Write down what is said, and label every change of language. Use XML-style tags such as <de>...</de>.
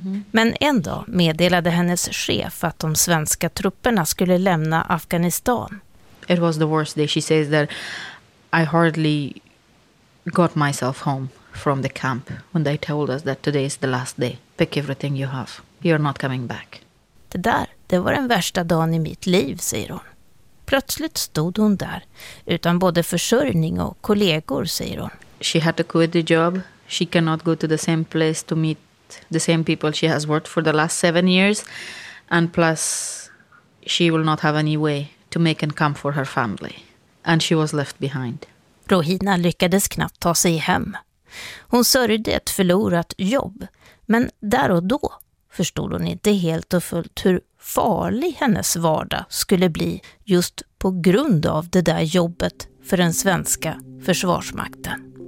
<sv>Men en dag meddelade hennes chef att de svenska trupperna skulle lämna Afghanistan.</sv> <en>It was the worst day. She says that I hardly got myself home from the camp when they told us that today is the last day. Pick everything you have. You're not coming back.</en> <sv>Det där, det var den värsta dagen i mitt liv, säger hon. Plötsligt stod hon där utan både försörjning och kollegor, säger hon.</sv> <en>She had to quit the job. She cannot go to the same place to meet the same people she has worked for the last 7 years, and plus she will not have any way to make income for her family, and she was left behind.</en> <sv>Rohina lyckades knappt ta sig hem. Hon sörjde ett förlorat jobb, men där och då förstod hon inte helt och fullt hur farlig hennes vardag skulle bli just på grund av det där jobbet för den svenska försvarsmakten.</sv>